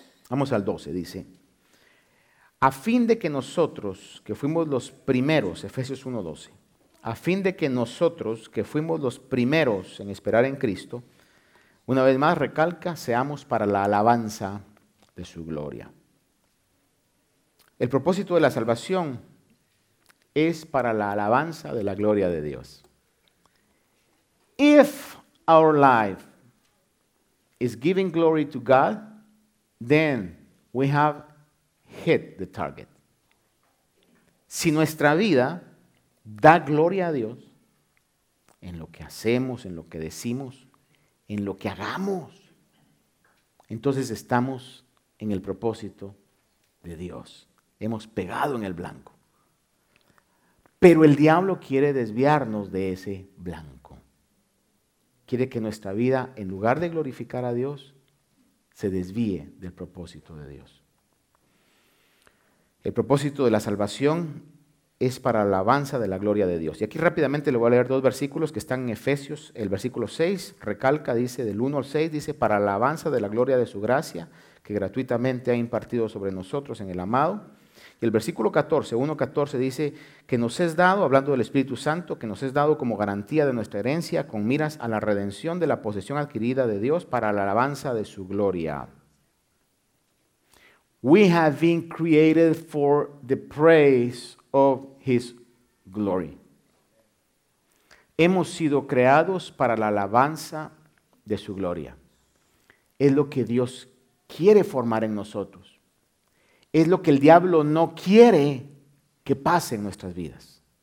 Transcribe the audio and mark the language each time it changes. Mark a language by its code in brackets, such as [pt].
[es] Vamos al 12, dice, a fin de que nosotros, que fuimos los primeros, Efesios 1:12, a fin de que nosotros, que fuimos los primeros en esperar en Cristo, una vez más recalca, seamos para la alabanza de su gloria. El propósito de la salvación es para la alabanza de la gloria de Dios. [en] If our life is giving glory to God, then we have hit the target. [es] Si nuestra vida da gloria a Dios en lo que hacemos, en lo que decimos, en lo que hagamos, entonces estamos en el propósito de Dios. Hemos pegado en el blanco. Pero el diablo quiere desviarnos de ese blanco. Quiere que nuestra vida, en lugar de glorificar a Dios, se desvíe del propósito de Dios. El propósito de la salvación es para la alabanza de la gloria de Dios. Y aquí rápidamente le voy a leer dos versículos que están en Efesios. El versículo 6 recalca, dice, del 1 al 6, dice, para la alabanza de la gloria de su gracia, que gratuitamente ha impartido sobre nosotros en el amado. Y el versículo 1:14 dice, que nos es dado, hablando del Espíritu Santo, que nos es dado como garantía de nuestra herencia, con miras a la redención de la posesión adquirida de Dios para la alabanza de su gloria. [en] We have been created for the praise of His glory. [es] Hemos sido creados para la alabanza de su gloria. Es lo que Dios quiere formar en nosotros. Es lo que el diablo no quiere que pase en nuestras vidas.